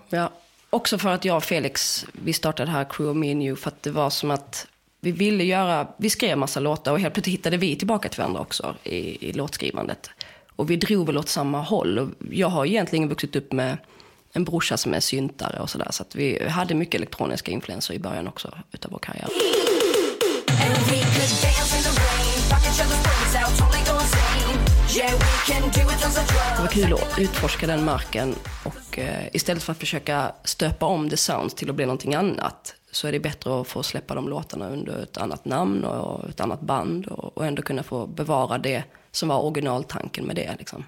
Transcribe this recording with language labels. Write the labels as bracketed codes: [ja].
[sv] Ja, också för att jag och Felix, vi startade här Crew of Me and You, för att det var som att vi ville göra... Vi skrev massa låtar och helt plötsligt hittade vi tillbaka till varandra också i låtskrivandet. Och vi drog väl åt samma håll. Och jag har egentligen vuxit upp med en brorsa som är syntare och sådär. Så att vi hade mycket elektroniska influenser i början också utav vår karriär. [en] And we could dance in the rain, fuck each other's brains out, totally go insane. Yeah, we can do it on the drums. [sv] Det var kul att utforska den marken. Och istället för att försöka stöpa om [en] the sounds [sv] till att bli någonting annat, så är det bättre att få släppa de låtarna under ett annat namn och ett annat band och ändå kunna få bevara det som var originaltanken med det liksom.